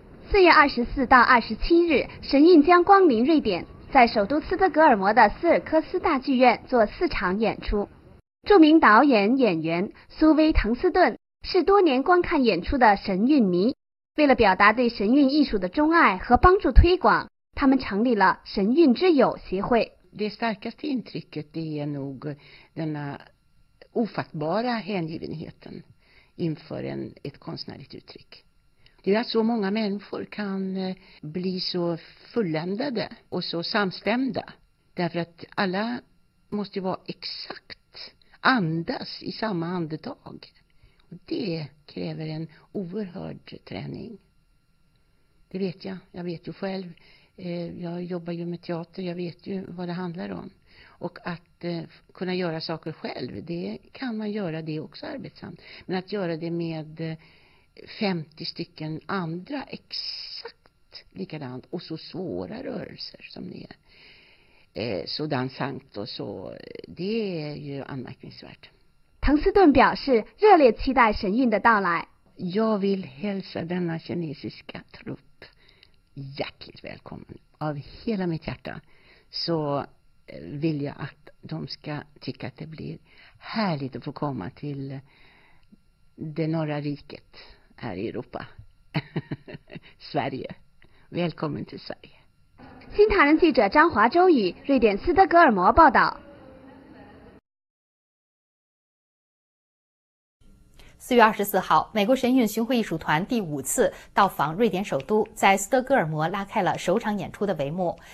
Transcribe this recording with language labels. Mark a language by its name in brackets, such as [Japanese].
[Chinese] 4月24到27日，神韵将光临瑞典，在首都斯德哥尔摩的斯尔科斯大剧院做四场演出。著名导演、演员苏威滕斯顿是多年观看演出的神韵迷。为了表达对神韵艺术的钟爱和帮助推广，他们成立了神韵之友协会。 [Swedish] Det starkaste intrycket är nog denna ofattbara hängivenheten inför ett konstnärligt uttryck. Det är att så många människor kan bli så fulländade och så samstämda. Därför att alla måste vara exakt andas i samma andetag. Det kräver en oerhörd träning. Det vet jag. Jag vet ju själv. Jag jobbar ju med teater. Jag vet ju vad det handlar om. Och att kunna göra saker själv. Det kan man göra. Det är också arbetsamt. Men att göra det med 50 stycken andra exakt likadant. Och så svåra rörelser som det är. Så dansant och så. Det är ju anmärkningsvärt. [Chinese] 滕斯顿表示热烈期待神韵的到来。 [Swedish] Jag vill hälsa denna kinesiska trupp hjärtligt välkommen. Av hela mitt hjärta så vill jag att de ska tycka att det blir härligt att få komma till det norra riket här i Europa. Sverige. Välkommen till Sverige. [Chinese] 新唐人记者张华周宇，瑞典斯德哥尔摩报道。 4月24号，美国神韵巡回艺术团第五次到访瑞典首都，在斯德哥尔摩拉开了首场演出的帷幕。